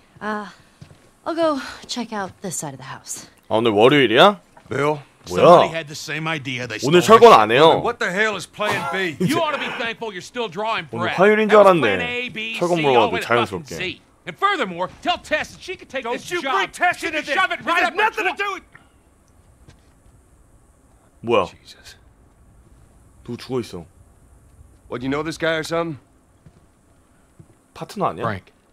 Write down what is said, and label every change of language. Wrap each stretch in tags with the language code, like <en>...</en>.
<ko>아,</ko> <en>I'll go check out this side of the house.</en> <ko>아, 오늘 월요일이야? 왜요? 뭐야? 오늘 철권 안 해요.</ko> <en>What the hell is plan B? You ought to be thankful you're still drawing breath.</en> <ko>오늘 화요일인 줄 알았네. 철권 물어봐도 자연스럽게.</ko> <en>And furthermore, tell Tess that she could take this job. Don't you bring Tess into this? Shove it right up. Nothing to do with.</en> <ko>뭐야? Jesus. 누구 죽어 있어?</ko> <en>What, you know this guy or something?</en> <ko>파트너 아니야?</ko> <en>Frank.</en>